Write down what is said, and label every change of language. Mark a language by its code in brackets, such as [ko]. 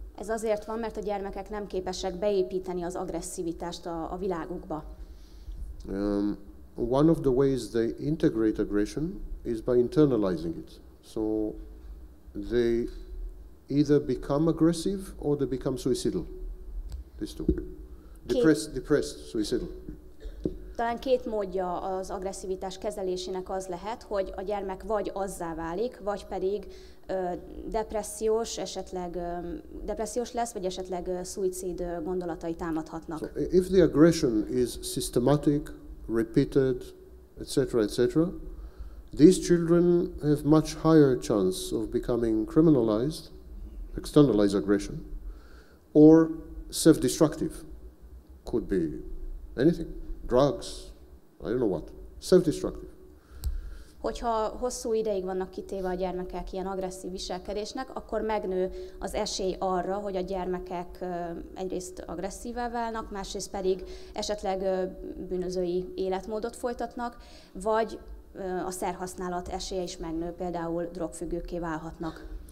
[hu] Ez azért van, mert a gyermekek nem képesek beépíteni az agresszivitást a világukba. [en] One of the ways they integrate aggression is by internalizing it. So they either become aggressive or they become suicidal. These two. Depressed, suicidal. [hu] Talán két módja az agresszivitás kezelésének az lehet, hogy a gyermek vagy azzá válik, vagy pedig depressziós, esetleg depressziós lesz, vagy esetleg szuicid gondolatai támadhatnak. [en] So if the aggression is systematic, repeated, etc., etc., these children have much higher chance of becoming criminalized, externalized aggression, or self-destructive. Could be anything, drugs, I don't know what, self-destructive. [hu] Hogyha hosszú ideig vannak kitéve a gyermekek ilyen agresszív viselkedésnek, akkor megnő az esély arra, hogy a gyermekek egyrészt agresszívvel válnak, másrészt pedig esetleg bűnözői életmódot folytatnak, vagy a szerhasználat esélye is megnő, például drogfüggőkké válhatnak.